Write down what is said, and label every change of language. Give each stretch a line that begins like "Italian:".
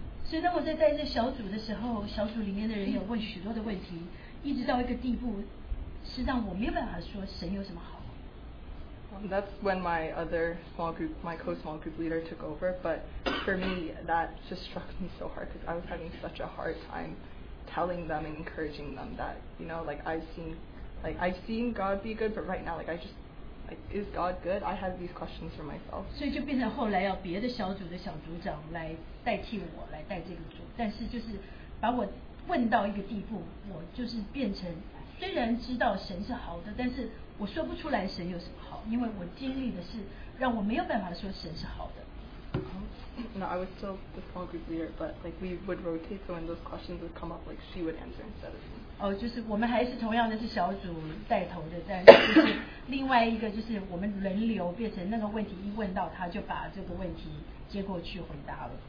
Chinese: 所以当我在带这小组的时候，小组里面的人有问许多的问题，一直到一个地步，是让我没有办法说神有什么好。
English: That's when my other small group, my co-small group leader took over. But for me, that just struck me so hard because I was having such a hard time telling them and encouraging them that, you know, like I've seen God be good, but right now, like I just, like, is God good? I have these questions for myself.
Chinese: 所以就变成后来要别的小组的小组长来代替我来带这个组，但是就是把我问到一个地步，我就是变成虽然知道神是好的，但是我说不出来神有什么好，因为我经历的是让我没有办法说神是好的。
English: No, I was still the small group leader, but like we would rotate, so when those questions would come up, like she would answer instead of me.
Chinese: 就是我们还是同样的是小组带头的，但是就是另外一个就是我们轮流变成那个问题一问到他就把这个问题接过去回答了。